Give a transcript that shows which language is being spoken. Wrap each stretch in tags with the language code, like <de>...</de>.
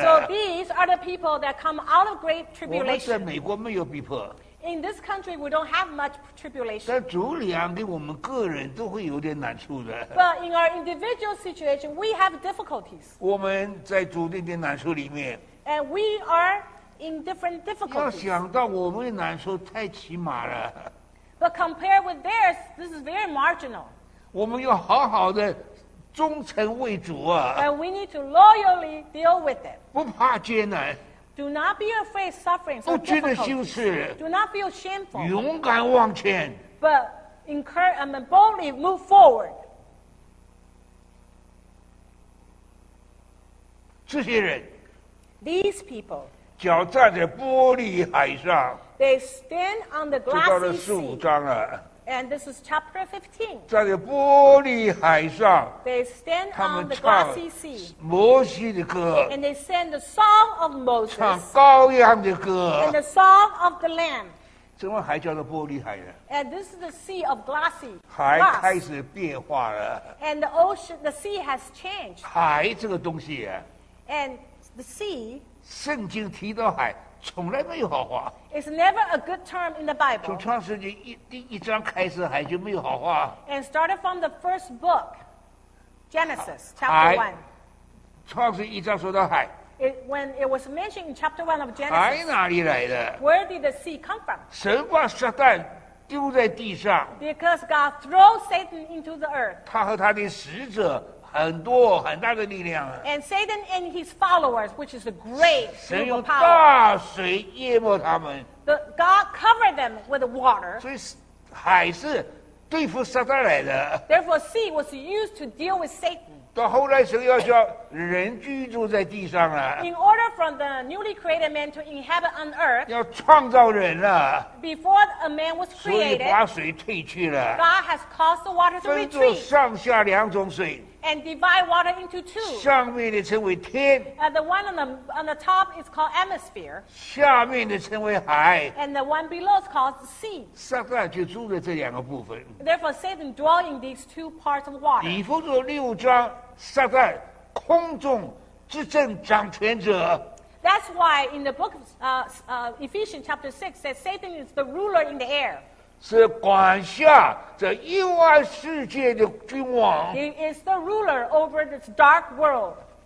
<en>So these are the people that come out of great tribulation.</en> <zh>我们在美国没有逼迫。</zh> <en>In this country, we don't have much tribulation.</en> <zh>但主里啊，给我们个人都会有点难处的。</zh> <en>But in our individual situation, we have difficulties.</en> <zh>我们在主里的难处里面。</zh> <en>And we are in different difficulties.</en> <zh>要想到我们的难处太起码了。</zh> <en>But compared with theirs, this is very marginal.</en> <zh>我们要好好的忠诚为主啊。</zh> <en>And we need to loyally deal with it.</en> <zh>不怕艰难。</zh> <en>Do not be afraid of suffering.</en> <zh>不觉得羞耻。</zh> <en>Do not feel shameful.</en> <zh>勇敢往前。</zh> <en>But encourage and boldly move forward.</en> <zh>这些人。</zh> <en>These people.</en> <zh>脚站在玻璃海上。</zh> <en>They stand on the glassy sea.</en> <zh>这到了十五章了。</zh> <en>And this is chapter 15.</en> <zh>站在玻璃海上</zh> <en>They stand on the glassy sea.</en> <zh>摩西的歌</zh> <en>And they sing the song of Moses.</en> <zh>唱羔羊的歌</zh> <en>And the song of the lamb.</en> <zh>怎么还叫做玻璃海呢</zh> <en>And this is the sea of glassy.</en> <zh>海开始变化了</zh> <en>And the ocean, the sea has changed.</en> <zh>海这个东西</zh> <en>And the sea.</en> <zh>圣经提到海从来没有好话。</zh> <en>It's never a good term in the Bible.</en> <zh>从创世纪第一章开始，海就没有好话。</zh> <en>And started from the first book, Genesis chapter one.</en> <zh>创世纪一章说到海。</zh> <en>When it was mentioned in chapter one of Genesis.</en> <zh>海哪里来的</zh> <en>？Where did the sea come from？</en> <zh>神把撒旦丢在地上。</zh> <en>Because God threw Satan into the earth.</en> <zh>他和他的使者。很多很大的力量啊</zh> <en>！And Satan and his followers, which is a great power.</en> <zh>神用大水淹没他们。</zh> <en>The God covered them with water.</en> <zh>所以海是对付撒旦来的。</zh> <en>Therefore, sea was used to deal with Satan.</en> <zh>到后来，神要叫人居住在地上啊。</zh> <en>In order for the newly created man to inhabit on earth.</en> <zh>要创造人了。</zh> <en>Before a man was created.</en> <zh>所以把水退去了。</zh> <en>God has caused the water to retreat.</en> <zh>分作上下两种水。</zh> <en>And divide water into two.</en> <zh>上面的称为天。</zh> <en>And the one on the top is called atmosphere.</en> <zh>下面的称为海。</zh> <en>And the one below is called the sea.</en> <zh>撒旦就住在这两个部分。</zh> <en>Therefore, Satan dwells in these two parts of water.</en> <zh>以弗所六章，撒旦空中执政掌权者。</zh> <en>That's why in the book of Ephesians chapter 6 says Satan is the ruler in the air.</en> <zh>是管辖这幽暗世界的君王。</zh> <en>He is the ruler over this dark world.</en>